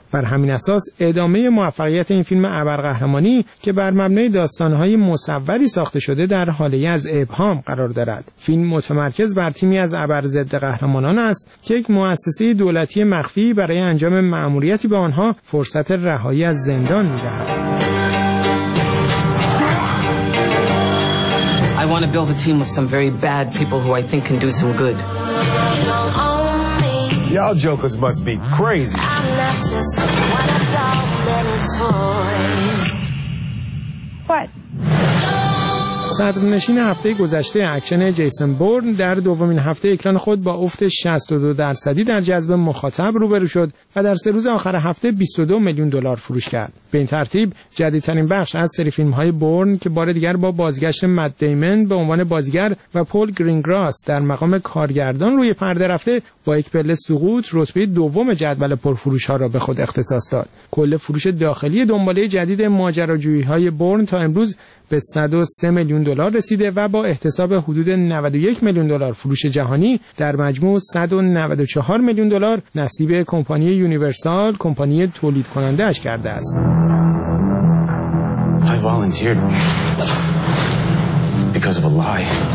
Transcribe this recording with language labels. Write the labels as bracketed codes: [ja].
[fa] بر همین اساس ادامه موفقیت این فیلم ابرقهرمانی که بر مبنای داستان‌های مصوری ساخته شده در حاله از ابهام قرار دارد. فیلم متمرکز بر تیمی از ابر ضد قهرمانان است که یک مؤسسه دولتی مخفی برای انجام مأموریتی به آنها فرصت رهایی از زندان می‌دهد. [en] I want to build a team of some very bad people who I think can do some good. Y'all jokers must be crazy. I'm not just one of y'all many toys. What? [fa] صدرنشین هفته گذشته اکشن جیسون بورن در دومین هفته اکران خود با افت 62% در جذب مخاطب روبرو شد و در سه روز آخر هفته 22 میلیون دلار فروش کرد. به این ترتیب جدیدترین بخش از سری فیلم‌های بورن که بار دیگر با بازگشت مت دیمن به عنوان بازیگر و پول گرینگراس در مقام کارگردان روی پرده رفته با یک پله سقوط رتبه دوم جدول پرفروش‌ها را به خود اختصاص داد. کل فروش داخلی دنباله جدید ماجراجویی‌های بورن تا امروز به 103 میلیون دلار رسیده و با احتساب حدود 91 میلیون دلار فروش جهانی در مجموع 194 میلیون دلار نصیب کمپانی یونیورسال کمپانی تولید کننده اش کرده است. [en] I volunteered because of a lie.